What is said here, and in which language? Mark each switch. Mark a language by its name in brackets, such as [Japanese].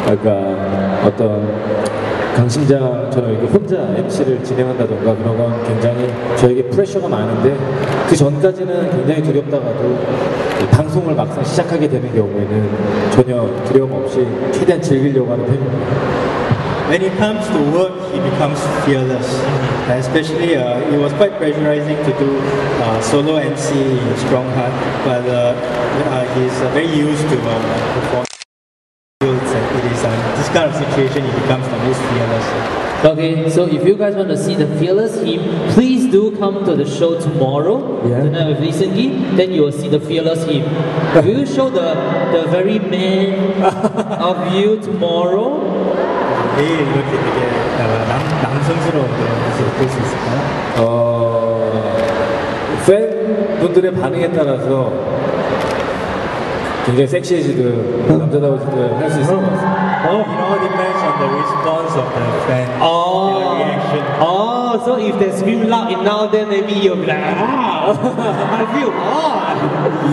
[Korean] 그러니까 어떤 강심장처럼 이렇게 혼자 MC를 진행한다던가 그런 건 굉장히 저에게 프레셔가 많은데 그 전까지는 굉장히 두렵다가도 방송을 막상 시작하게 되는 경우에는 전혀 두려움 없이 최대한 즐기려고 하는 편입니다. [English] When it comes to work, he becomes fearless. Especially, it was quite pressurizing to do solo MC in Strong Heart, but he's very used to performing. It is this kind of situation he becomes the most fearless. Okay, so if you guys want to see the fearless him, please do come to the show tomorrow, tonight with Lee Seung-gi, then you will see the fearless him. Will you show the very man of you tomorrow? [Korean] 내일 이렇게 되게 남성스러운 그런 모습을 볼 수 있을까요? 팬분들의 반응에 따라서 굉장히 섹시해지든 남자다워지든 할 수 있을 것 같습니다. [English] It all depends on the response of the fan. Oh, reaction. Oh, so if they scream loud enough, then maybe you'll be like, ah, I feel hot.